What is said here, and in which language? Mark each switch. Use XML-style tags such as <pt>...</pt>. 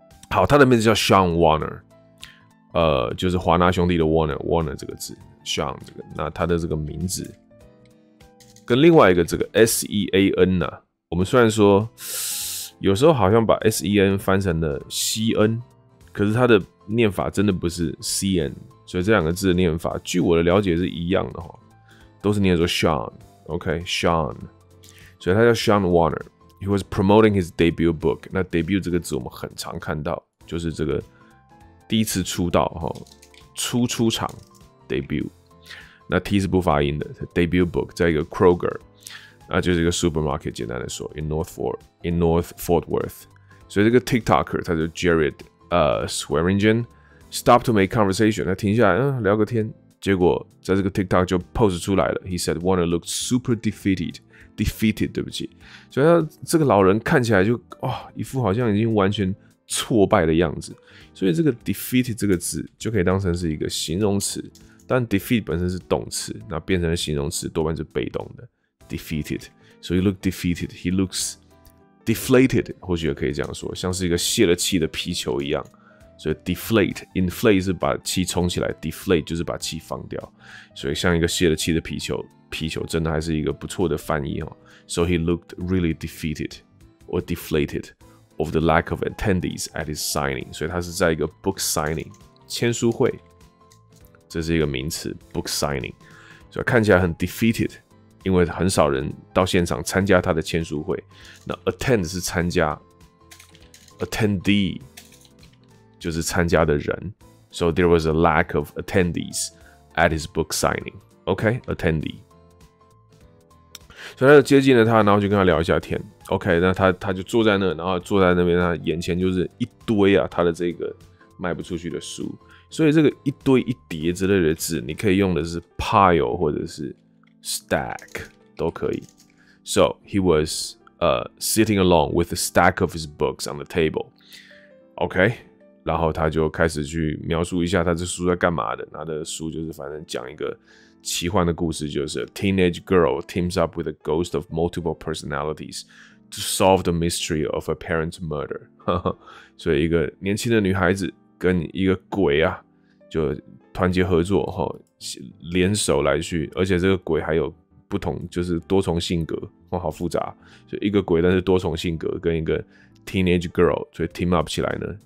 <zh>好，他的名字叫 Sean Warner， 就是华纳兄弟的 Warner 这个字 ，Sean 这个，那他的这个名字跟另外一个这个 Sean 呢、啊，我们虽然说有时候好像把 Sen 翻成了 Cn， 可是他的念法真的不是 Cn。所以这两个字的念法，据我的了解是一样的哈，都是念作 Sean，OK，Sean。所以他叫</zh> <en>Sean Warner， he was promoting his debut book。</en> <zh>那 debut 这个字我们很常看到，就是这个第一次出道哈，初场 debut。那 T 是不发音的 ，debut book 在一个 Kroger， 那就是一个 supermarket， 简单的说 ，in North Fort Worth。所以这个 TikToker 他叫 Jared Swearingen。</zh> <en>Stop to make conversation，</en> <zh>他停下来，聊个天。 结果在这个 TikTok 就 post 出来了。</zh> <en>He said Warner looked super defeated，</en> <zh>对不起。所以他这个老人看起来就哇、哦，一副好像已经完全挫败的样子。所以这个 defeated 这个字就可以当成是一个形容词，但 defeat 本身是动词，那变成了形容词多半是被动的 defeated。所以 look defeated，</zh> <en>he looks deflated，</en> <zh>或许也可以这样说，像是一个泄了气的皮球一样。所以 deflate，inflate 是把气充起来 ，deflate 就是把气放掉，所以像一个泄了气的皮球，皮球真的还是一个不错的翻译哦。</zh> <en>So he looked really defeated or deflated of the lack of attendees at his signing。</en> <zh>所以他是在一个 book signing， 签书会，这是一个名词 book signing， 所以看起来很 defeated， 因为很少人到现场参加他的签书会。那 attend 是参加 ，attendee。就是参加的人</zh> <en>，so there was a lack of attendees at his book signing. OK, attendee.</en> <zh>所以他就接近了他，然后就跟他聊一下天。OK, 那他就坐在那，然后坐在那边，他眼前就是一堆啊，他的这个卖不出去的书。所以这个一堆一叠之类的字，你可以用的是 pile 或者是 stack 都可以。</zh> <en>So he was sitting alone with a stack of his books on the table. OK.</en> <zh>然后他就开始去描述一下他这书在干嘛的。他的书就是反正讲一个奇幻的故事，就是</zh> <en>Teenage girl teams up with a ghost of multiple personalities to solve the mystery of a parent's murder.</en> <zh>所以一个年轻的女孩子跟一个鬼啊，就团结合作，联手来去，而且这个鬼还有不同，就是多重性格，哇，好复杂。就一个鬼，但是多重性格，跟一个 teenage girl， 所以</zh> <en>team up</en> <zh>起来呢。</zh>